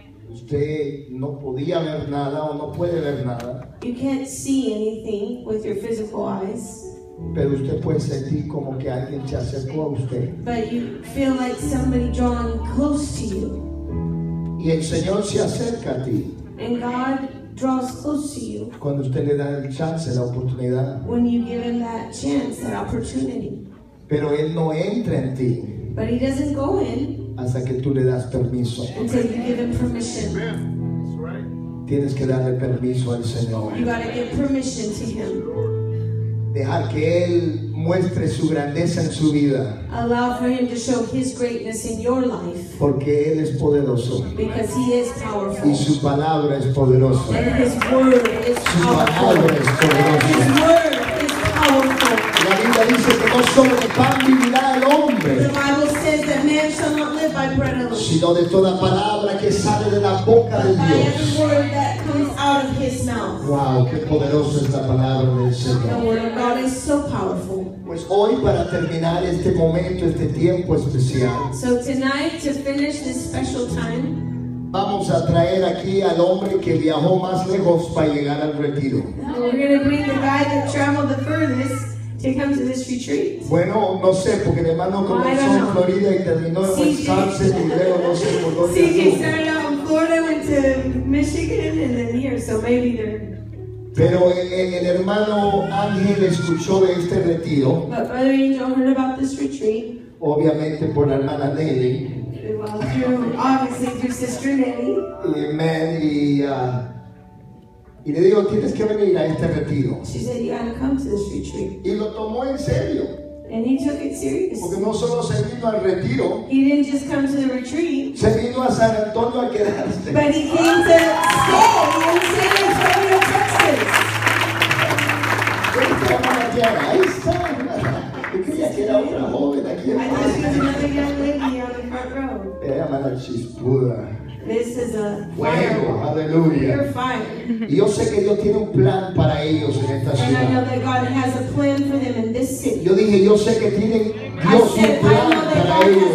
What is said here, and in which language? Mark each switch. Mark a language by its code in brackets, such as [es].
[es] Usted no podía ver nada o no puede ver nada. [en] You can't see anything with your physical eyes. [es] Pero usted puede sentir como que alguien se acercó a usted. [en] But you feel like somebody drawing close to you. [es] Y el Señor se acerca a ti. [en] And God draws close to you. [es] Cuando usted le da el chance, la oportunidad. [en] When you give him that chance, that opportunity. [es] Pero él no entra en ti. [en] But he doesn't go in. [es] Hasta que tú le das permiso. [en] Until you give him permission. [es] Tienes que darle permiso al Señor. [en] You gotta give permission to him. [es] Dejar que él muestre su grandeza en su vida. [en] Allow for him to show his greatness in your life. [es] Porque él es poderoso. [en] Because he is powerful. [es] Y su palabra es poderosa. [en] And his word is [es] su [en] powerful. [es] Palabra es poderosa. [en] His word is powerful. [es] La Biblia dice que no solo de pan vivirá el hombre. [en] The Bible says that man shall not live by bread alone. [es] Sino de toda palabra que sale de la boca de Dios. [en] By every word that out of his mouth. [es] Wow, qué poderoso esta palabra del Señor. [en] The word of God is so powerful. [es] Pues hoy para terminar este momento, este tiempo especial. [en] So tonight to finish this special time. [es] Vamos a traer aquí al hombre que viajó más lejos para llegar al retiro. [en] We're going to bring the guy that traveled the furthest to come to this retreat. [es] Bueno, no sé, porque mi hermano comenzó en Florida y terminó en Wisconsin y luego no sé por dónde. [en] CJ started out in Florida, went to Michigan, and then here, so maybe they're. [es] Pero el hermano Ángel escuchó de este retiro. [en] But Brother Angel heard about this retreat. [es] Obviamente por la hermana Nelly. [en] Well, through, obviously through Sister Nelly. [es] Amen. Y le digo, tienes que venir a este retiro. [en] She said, you gotta come to this retreat. [es] Y lo tomó en serio. [en] And he took it serious. [es] Porque no solo se vino al retiro. [en] He didn't just come to the retreat. [es] Se vino a San Antonio a quedarse. [en] But he came to stay in San Antonio, Texas. [es] Ahí está. Yo creía que era otra joven aquí. [en] I thought she was another young lady on the front row. She's pura. This is a fire. [es] Bueno, aleluya. [en] You're fire. [es] Y yo sé que Dios tiene un plan para ellos en esta ciudad. [en] And I know that God has a plan for them in this city. [es] Yo dije, yo sé que tienen Dios un plan para ellos